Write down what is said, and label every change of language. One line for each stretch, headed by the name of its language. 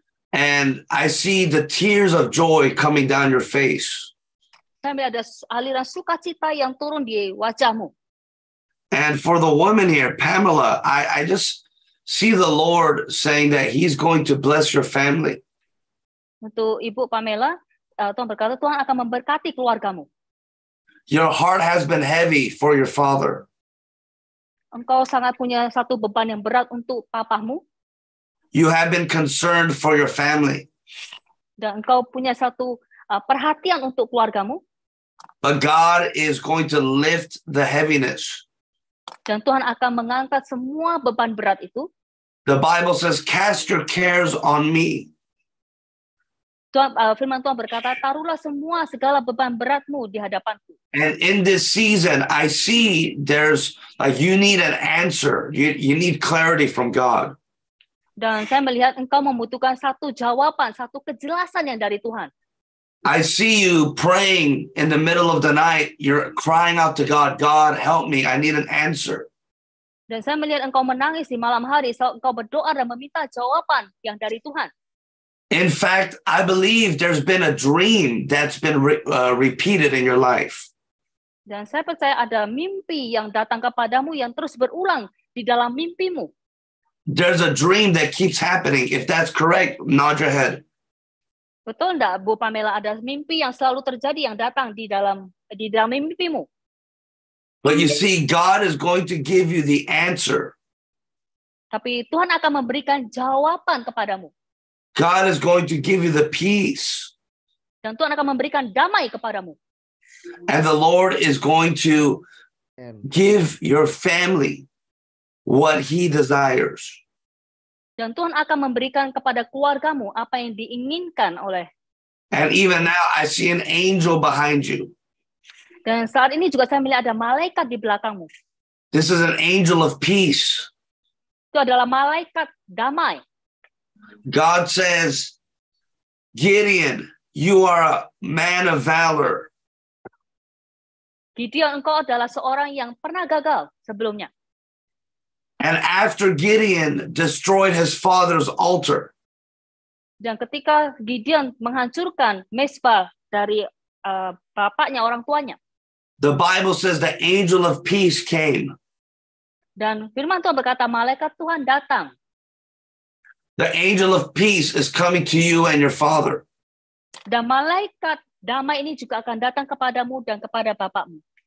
English: And I see the tears of joy coming down your face.
Indonesian: Sampai ada aliran sukacita yang turun di wajahmu.
English: And for the woman here, Pamela, I just see the Lord saying that He's going to bless your family.
Indonesian: Untuk Ibu Pamela, Tuhan berkata Tuhan akan memberkati keluargamu.
English: Your heart has been heavy for your father.
Indonesian: Engkau sangat punya satu beban yang berat untuk papamu.
English: You have been concerned for your family.
Indonesian: Dan engkau punya satu perhatian untuk keluargamu.
English: But God is going to lift the heaviness.
Indonesian: Dan Tuhan akan mengangkat semua beban berat itu.
English: The Bible says, cast your cares on me.
Indonesian: Tuhan, firman Tuhan berkata, taruhlah semua segala beban beratmu di hadapanku.
English: And in this season, I see there's like you need an answer. You need clarity from God.
Indonesian: Dan saya melihat engkau membutuhkan satu jawaban, satu kejelasan yang dari Tuhan.
English: I see you praying in the middle of the night. You're crying out to God, God, help me. I need an answer.
Indonesian: Dan saya melihat engkau menangis di malam hari, so engkau berdoa dan meminta jawaban yang dari Tuhan.
English: In fact, I believe there's been a dream that's been repeated in your life.
Indonesian: Dan saya percaya ada mimpi yang datang kepadamu yang terus berulang di dalam mimpimu.
English: There's a dream that keeps happening. If that's correct, nod your head.
Indonesian: Betul enggak, Bu Pamela, ada mimpi yang selalu terjadi yang datang di dalam mimpimu?
English: But you see, God is going to give you the answer.
Indonesian: Tapi Tuhan akan memberikan jawaban kepadamu.
English: God is going to give you the peace.
Indonesian: Dan Tuhan akan memberikan damai kepadamu.
English: And the Lord is going to give your family what He desires.
Indonesian: Dan Tuhan akan memberikan kepada keluargamu apa yang diinginkan oleh.
English: And even now, I see an angel behind you.
Indonesian: Dan saat ini juga saya melihat ada malaikat di belakangmu.
English: This is an angel of peace.
Indonesian: Itu adalah malaikat damai.
English: God says, Gideon, you are a man of valor.
Indonesian: Gideon, engkau adalah seorang yang pernah gagal sebelumnya.
English: And after Gideon destroyed his father's altar.
Indonesian: Dan ketika Gideon menghancurkan mezbah dari bapaknya, orang tuanya.
English: The Bible says the angel of peace came.
Indonesian: Dan firman Tuhan berkata malaikat Tuhan datang.
English: The angel of peace is coming to you and your father.
Indonesian: Dan malaikat damai ini juga akan datang kepadamu dan kepada bapakmu.